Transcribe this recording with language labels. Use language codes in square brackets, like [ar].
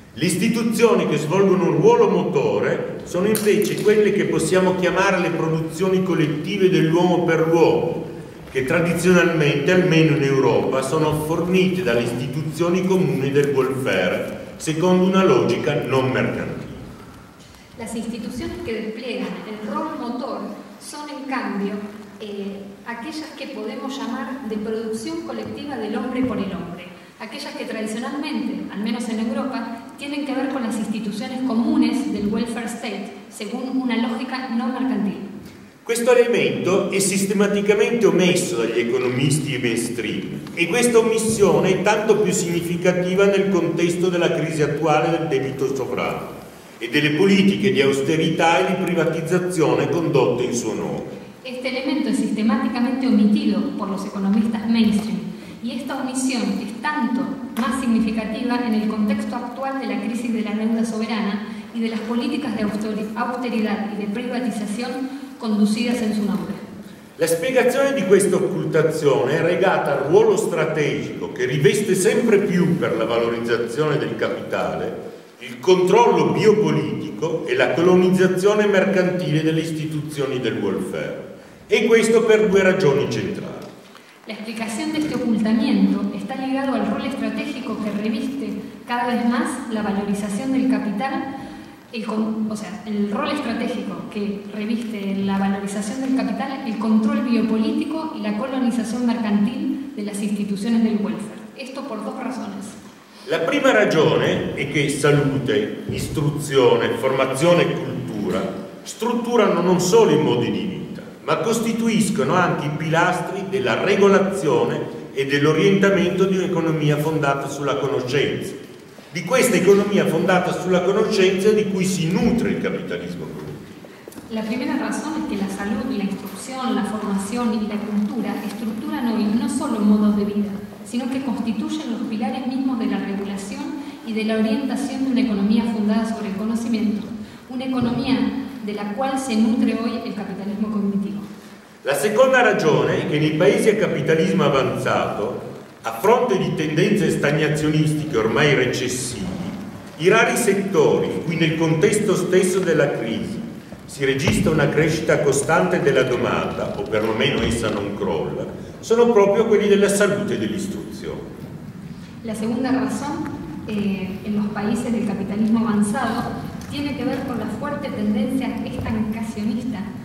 [it] Le istituzioni che svolgono un ruolo motore sono invece quelle che possiamo chiamare le produzioni collettive dell'uomo per l'uomo, che tradizionalmente, almeno in Europa, sono fornite dalle istituzioni comuni del welfare, secondo una logica non mercantile. [es] Las instituciones que despliegan el rol motor son, en cambio, aquellas que podemos llamar de producción colectiva del hombre por el hombre, aquellas que tradicionalmente, al menos en Europa, tienen que ver con las instituciones comunes del welfare state, según una lógica no mercantil. [it] Questo elemento è sistematicamente omesso dagli economisti mainstream e questa omissione è tanto più significativa nel contesto della crisi attuale del debito sovrano e delle politiche di austerità e di privatizzazione condotte in suo nome. [es] Este elemento es sistemáticamente omitido por los economistas mainstream y esta omisión es tanto más significativa en el contexto actual de la crisis de la deuda soberana y de las políticas de austeridad y de privatización conducidas en su nombre. [it] La spiegazione di questa occultazione è legata al ruolo strategico che riveste sempre più per la valorizzazione del capitale il controllo biopolitico e la colonizzazione mercantile delle istituzioni del welfare. E questo per due ragioni centrali. [es] La explicación de este ocultamiento está ligado al rol estratégico que reviste cada vez más la valorización del capital, el rol estratégico que reviste la valorización del capital, el control biopolítico y la colonización mercantil de las instituciones del welfare. Esto por dos razones. [it] La prima ragione è che salute, istruzione, formazione e cultura strutturano non solo i modi di vita, ma costituiscono anche i pilastri della regolazione e dell'orientamento di un'economia fondata sulla conoscenza, di questa economia fondata sulla conoscenza di cui si nutre il capitalismo produttivo. [es] La primera razón es que la salud, la instrucción, la formación y la cultura estructuran hoy no solo modos de vida, sino que constituyen los pilares mismos de la regulación y de la orientación de una economía fundada sobre el conocimiento, una economía de la cual se nutre hoy el capitalismo cognitivo. [it] La seconda ragione è che nei paesi a capitalismo avanzato, a fronte di tendenze stagnazionistiche ormai recessive, i rari settori in cui nel contesto stesso della crisi si registra una crescita costante della domanda, o perlomeno essa non crolla, sono proprio quelli della salute e dell'istruzione. La seconda ragione, [es] in los paesi del capitalismo avanzato, tiene que ver con la fuerte tendencia estancacionista.